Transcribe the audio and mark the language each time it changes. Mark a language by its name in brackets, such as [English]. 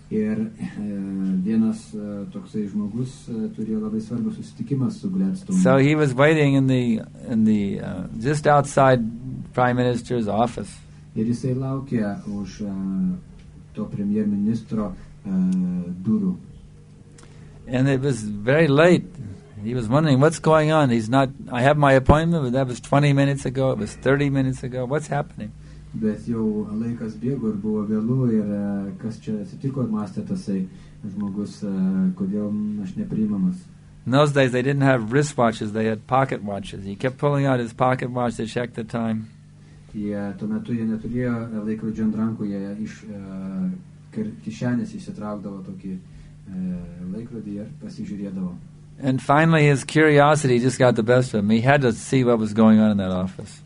[Lithuanian] Ir vienas toksai žmogus turėjo labai svarbų susitikimą su Gladstone. [English] So he was waiting in the just outside Prime Minister's office. [Lithuanian] Ir jisai laukė už to premier ministro durų. [English] And it was very late. He was wondering, what's going on? I have my appointment, but that was 20 minutes ago, it was 30 minutes ago, what's happening? [Lithuanian] Bet jau laikas bėgo ir buvo vėlų ir kas čia atsitiko ir mąstė tasai žmogus, kodėl aš nepriimamas. [English] In those days they didn't have wristwatches, they had pocket watches. He kept pulling out his pocket watch to check the time. [Lithuanian] Tuo metu jie neturėjo laikrodžio ant rankų, jie iš kišenės išsitraukdavo tokį laikrodį ir pasižiūrėdavo. [English] And finally his curiosity just got the best of him. He had to see what was going on in that office.